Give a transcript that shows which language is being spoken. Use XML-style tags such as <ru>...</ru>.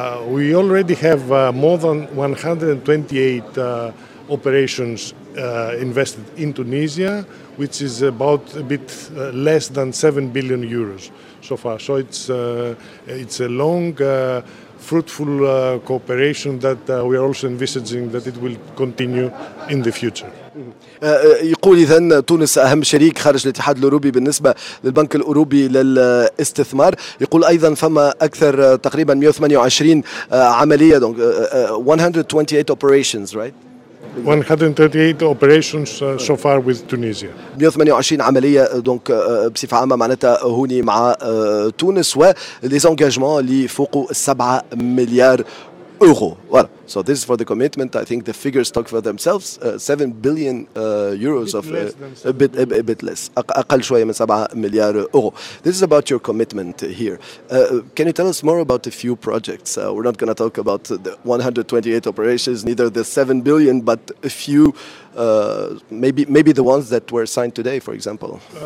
<en>We already have more than 128 operations invested in Tunisia, which is about a bit less than 7 billion euros so far. So it's a long, fruitful cooperation that we are also envisaging that it will continue in the future.</en> <ar>يقول إذن تونس أهم شريك خارج الاتحاد الأوروبي بالنسبة للبنك الأوروبي للاستثمار. يقول أيضا فما أكثر تقريبا 128 عملية.</ar> <en>128 operations, right? 138 operations so far with Tunisia.</en> <ar>128 عملية دونك بصفة عامة معناتها هوني مع تونس و</ar> <fr>les engagements</fr> <ar>اللي فوق 7 مليار يورو.</ar> <fr>Voilà.</fr> <en>So this is for the commitment. I think the figures talk for themselves. 7 billion euros of a bit less.</en> <ar>أقل شوية من 7 مليار يورو.</ar> <en>This is about your commitment here. Can you tell us more about a few projects? We're not going to talk about the 128 operations, neither the 7 billion, but a few, maybe the ones that were signed today, for example.</en>